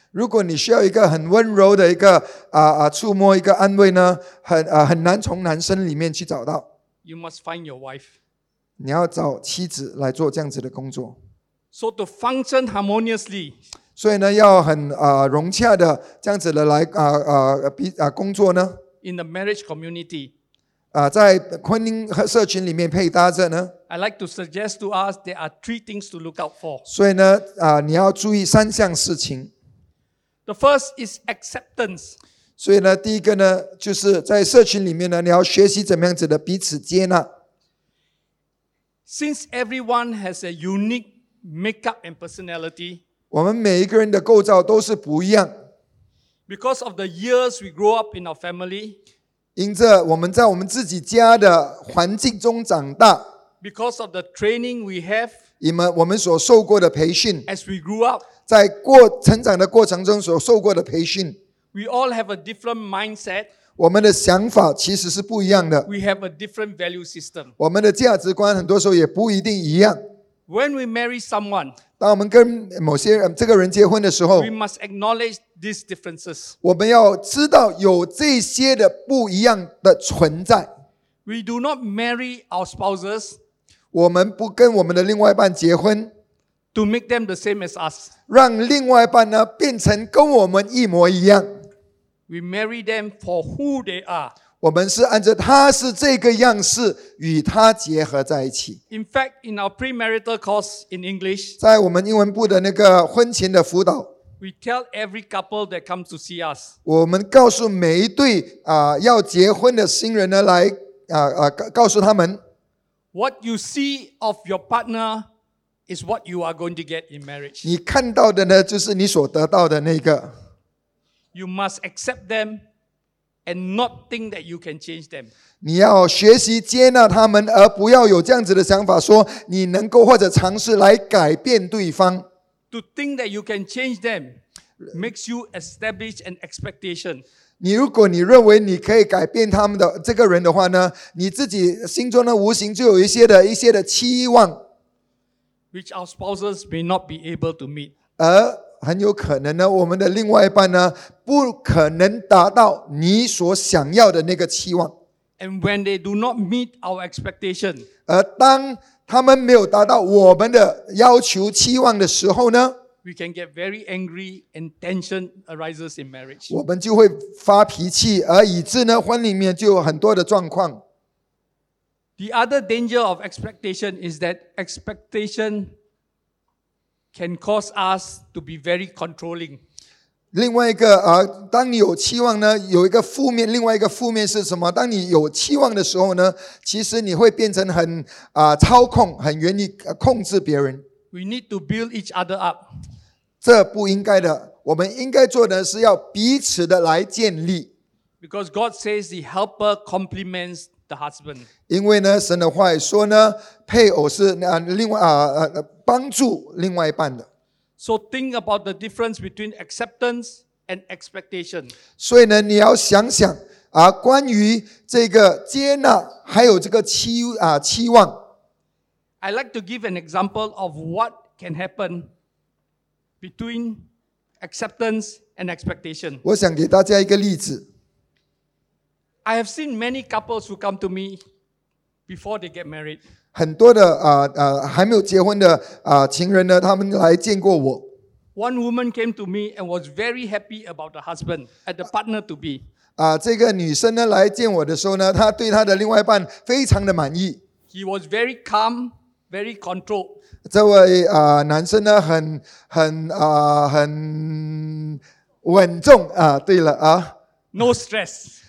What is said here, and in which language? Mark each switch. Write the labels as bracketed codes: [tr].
[zh] 如果你需要一个很温柔的一个啊啊、触摸一个安慰呢，很啊、很难从男生里面去找到。 [en] You must find your wife. [zh] 你要找妻子来做这样子的工作。 [en] So to function harmoniously. [zh] 所以呢，要很啊、融洽的这样子的来啊啊比啊工作呢。 [en] In the marriage community. [zh] 啊、在婚姻和社群里面配搭着呢。 [en] I like to suggest to us there are three things to look out for. [zh] 所以呢，啊、你要注意三项事情。 [en] The first is acceptance. [zh] 所以呢，第一个呢，就是在社群里面呢，你要学习怎么样子的彼此接纳。 [en] Since everyone has a unique makeup and personality, [zh] 我们每一个人的构造都是不一样。 [en] Because of the years we grow up in our family, [zh] 因着我们在我们自己家的环境中长大。 [en] Because of the training we have, [zh] 以我们所受过的培训。 [en] As we grew up, [zh] 在成长的过程中所受过的培训。 [en] We all have a different mindset. [zh] 我们的想法其实是不一样的。 [en] We have a different value system. [zh] 我们的价值观很多时候也不一定一样。 [en] When we marry someone, [zh] 当我们跟某些人这个人结婚的时候， [en] we must acknowledge these differences. [zh] 我们要知道有这些的不一样的存在。 [en] We do not marry our spouses. [zh] 我们不跟我们的另外一半结婚。 [en] To make them the same as us. [zh] 让另外一半呢变成跟我们一模一样。 [en] We marry them for who they are. [zh] 我们是按照他是这个样式与他结合在一起。 [en] In fact, in our premarital course in English, [zh] 在我们英文部的那个婚前的辅导， [en] we tell every couple that comes to see us. [zh] 我们告诉每一对啊、要结婚的新人呢来啊啊、告诉他们， [en] what you see of your partner. Is what you are going to get in marriage. [zh] 你看到的呢，就是你所得到的那个。 [en] You must accept them and not think that you can change them. [zh] 你要学习接纳他们，而不要有这样子的想法，说你能够或者尝试来改变对方。 [en] To think that you can change them makes you establish an expectation. [zh] 你如果你认为你可以改变他们的这个人的话呢，你自己心中的无形就有一些的期望。 [en] Which our spouses may not be able to meet. [zh] 而很有可能呢，我们的另外一半呢，不可能达到你所想要的那个期望。 [en] And when they do not meet our expectation, [zh] 而当他们没有达到我们的要求期望的时候呢， [en] we can get very angry and tension arises in marriage. [zh] 我们就会发脾气，而以致呢，婚里面就有很多的状况。 [en] The other danger of expectation is that expectation can cause us to be very controlling. [zh] 另外一个、当你有期望呢，有一个负面，另外一个负面是什么？当你有期望的时候呢，其实你会变成很、操控，很愿意控制别人。 [en] We need to build each other up. [zh] 这不应该的，我们应该做的是要彼此的来建立。 [en] Because God says the helper complements the husband. [zh] 因为呢，神的话说呢，配偶是另外帮助另外一半的。 [en] So think about the difference between acceptance and expectation. [zh] 所以呢，你要想想啊，关于这个接纳还有这个期望。 [en] I like to give an example of what can happen between acceptance and expectation. [zh] 我想给大家一个例子。 [en] I have seen many couples who come to me before they get married. [zh] 很多的还没有结婚的情人呢，他们来见过我。 [en] One woman came to me and was very happy about the husband and the partner to be. [zh] 这个女生呢来见我的时候呢，她对她的另外一半非常的满意。 [en] He was very calm. Very controlled. [zh] 这位男生呢，很稳重啊。对了啊 [en] ，No stress.